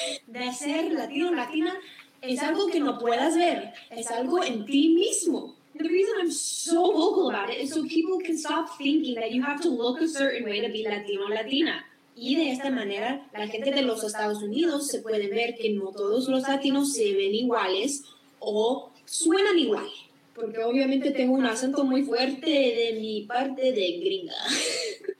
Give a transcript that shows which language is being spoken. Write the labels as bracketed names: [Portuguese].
[Spanish] De ser latino o latina es algo que no puedas ver. Es algo en ti mismo. [English] The reason I'm so vocal about it is so people can stop thinking that you have to look a certain way to be [Spanish] latino o latina. Y de esta manera, la gente de los Estados Unidos se puede ver que no todos los latinos se ven iguales o suenan igual. Porque obviamente tengo un acento muy fuerte de mi parte de gringa.